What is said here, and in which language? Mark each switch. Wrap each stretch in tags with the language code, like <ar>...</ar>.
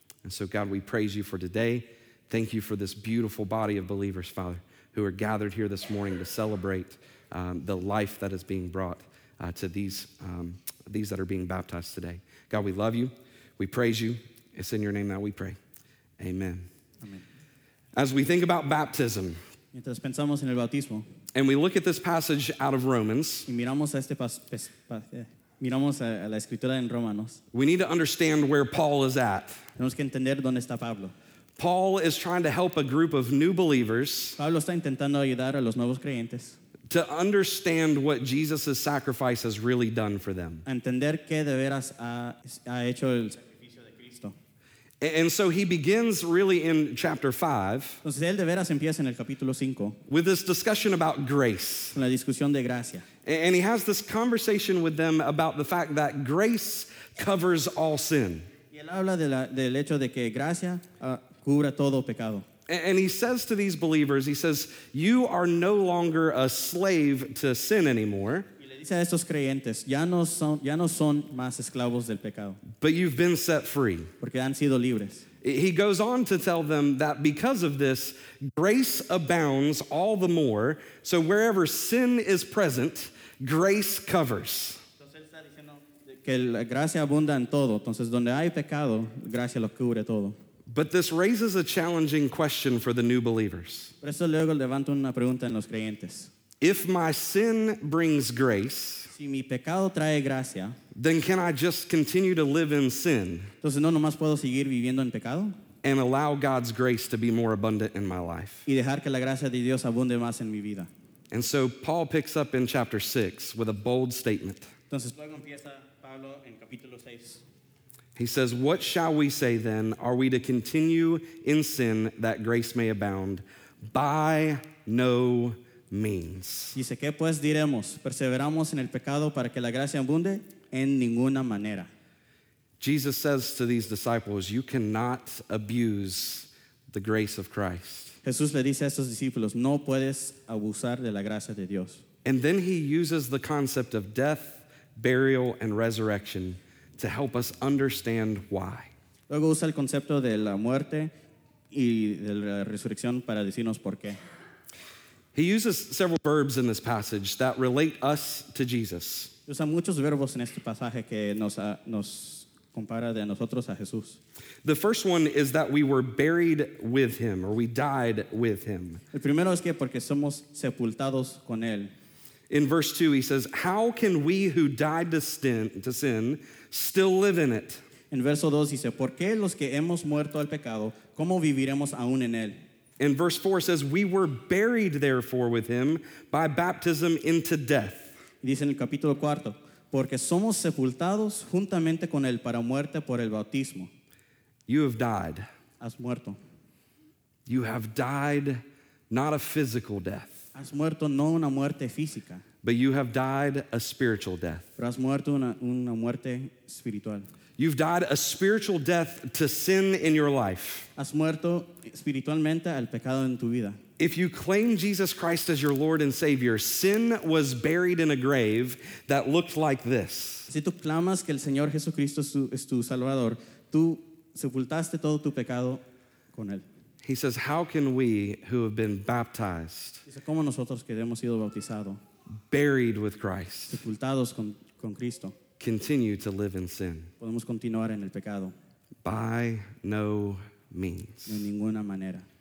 <en>And so, God, we praise you for today. Thank you for this beautiful body of believers, Father, who are gathered here this morning to celebrate the life that is being brought to these these that are being baptized today. God, we love you. We praise you. It's in your name that we pray. Amen. Amen. As we think about baptism,</en> <es>mientras pensamos en el bautismo,</es> <en>and we look at this passage out of Romans,</en> <es>y miramos a este miramos a la escritura en Romanos,</es> <en>we need to understand where Paul is at.</en> <es>Tenemos que entender dónde está Pablo.</es> <en>Paul is trying to help a group of new believers.</en> <es>Pablo está intentando ayudar a los nuevos creyentes.</es> <en>To understand what Jesus' sacrifice has really done for them.</en> <es>Entender qué de veras ha hecho el sacrificio de Cristo.</es> <en>And so he begins really in chapter 5.</en> <es>Entonces él de veras empieza en el capítulo 5.</es> <en>With this discussion about grace.</en> <es>Con la discusión de gracia.</es> <en>And he has this conversation with them about the fact that grace covers all sin.</en> <es>Y él habla del hecho de que gracia cubre todo pecado.</es> <en>And he says to these believers, he says, you are no longer a slave to sin anymore.</en> <es>Y le dice a estos creyentes, ya no son más esclavos del pecado.</es> <en>But you've been set free.</en> <es>Porque han sido libres.</es> <en>He goes on to tell them that because of this, grace abounds all the more. So wherever sin is present, grace covers.</en> <es>Entonces él está diciendo que gracia abunda en todo. Entonces donde hay pecado, gracia lo cubre todo.</es> <en>But this raises a challenging question for the new believers.</en> <es>Por eso luego levanto una pregunta en los creyentes.</es> <en>If my sin brings grace,</en> <es>si mi pecado trae gracia,</es> <en>then can I just continue to live in sin?</en> <es>Entonces no nomás puedo seguir viviendo en pecado?</es> <en>And allow God's grace to be more abundant in my life.</en> <es>Y dejar que la gracia de Dios abunde más en mi vida.</es> <en>And so Paul picks up in chapter 6 with a bold statement.</en> <es>Entonces luego empieza Pablo en capítulo 6.</es> <en>He says, what shall we say then? Are we to continue in sin that grace may abound? By no means.</en> <es>Dice, ¿qué pues diremos? ¿Perseveramos en el pecado para que la gracia abunde? En ninguna manera.</es> <en>Jesus says to these disciples, you cannot abuse the grace of Christ.</en> <es>Jesús le dice a estos discípulos, no puedes abusar de la gracia de Dios.</es> <en>And then he uses the concept of death, burial, and resurrection to help us understand why.</en> <es>Luego usa el concepto de la muerte y de la resurrección para decirnos por qué.</es> <en>He uses several verbs in this passage that relate us to Jesus.</en> <es>Usa muchos verbos en este pasaje que nos compara de nosotros a Jesús.</es> <en>The first one is that we were buried with him, or we died with him.</en> <es>El primero es que porque somos sepultados con él.</es> <en>In verse 2, he says, how can we who died to sin still live in it?</en> <es>En verso 2 dice, ¿por qué los que hemos muerto al pecado, cómo viviremos aún en él?</es> <en>In verse 4 says, we were buried therefore with him by baptism into death.</en> <es>Dice en el capítulo 4, porque somos sepultados juntamente con él para muerte por el bautismo.</es> <en>You have died.</en> <es>Has muerto.</es> <en>You have died, not a physical death.</en> <es>Has muerto no una muerte física.</es> <en>But you have died a spiritual death.</en> <es>Pero has muerto una muerte espiritual.</es> <en>You've died a spiritual death to sin in your life.</en> <es>Has muerto espiritualmente al pecado en tu vida.</es> <en>If you claim Jesus Christ as your Lord and Savior, sin was buried in a grave that looked like this.</en> <es>Si tú clamas que el Señor Jesucristo es tu Salvador, tú sepultaste todo tu pecado con él.</es> <en>He says, how can we who have been baptized,</en> <es>dice, ¿cómo nosotros que hemos sido bautizado,</es> <en>buried with Christ,</en> <es>sepultados con Cristo,</es> <en>continue to live in sin?</en> <es>Podemos continuar en el pecado.</es> <en>By no means.</en> <es>De ninguna manera.</es>